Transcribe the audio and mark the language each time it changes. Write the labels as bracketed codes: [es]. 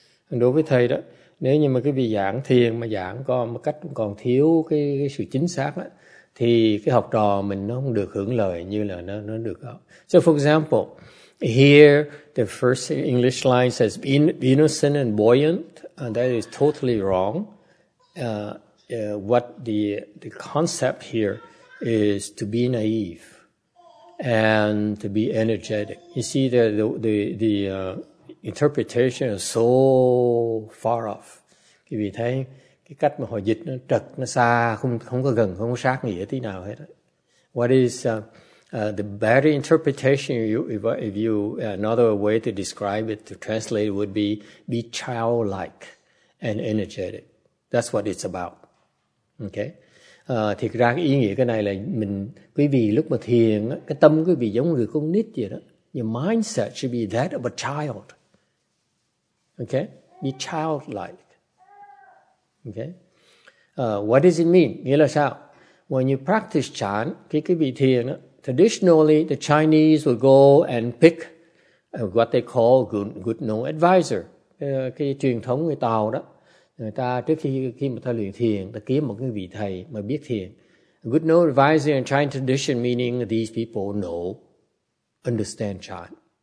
[vi] Đối với thầy đó, nếu như mà cái vị giảng thiền mà giảng còn một cách còn thiếu cái sự chính xác đó, thì cái học trò mình nó không được hưởng lợi như là nó được. [en] So for example, here the first English line says innocent and buoyant, and that is totally wrong. What the concept here is to be naive and to be energetic. You see the interpretation is so far off. [vi] Quý vị thấy cái cách mà họ dịch nó trật, nó xa, không có gần, không có sát nghĩa tí nào hết. [en] What is the better interpretation, another way to describe it, to translate it, would be childlike and energetic. That's what it's about. Okay? [vi] Thiệt ra cái ý nghĩa cái này là mình, quý vị lúc mà thiền, cái tâm quý vị giống người con nít vậy đó. [en] Your mindset should be that of a child. Okay? Be childlike. Okay? What does it mean? [vi] Nghĩa là sao? [en] When you practice chan, [vi] cái vị thiền đó, [en] traditionally the Chinese would go and pick what they call good known advisor. [vi] Cái truyền thống người Tàu đó. Người ta trước khi mà ta luyện thiền, ta kiếm một cái vị thầy mà biết thiền. [en] Good known advisor in Chinese tradition meaning these people know, understand chan.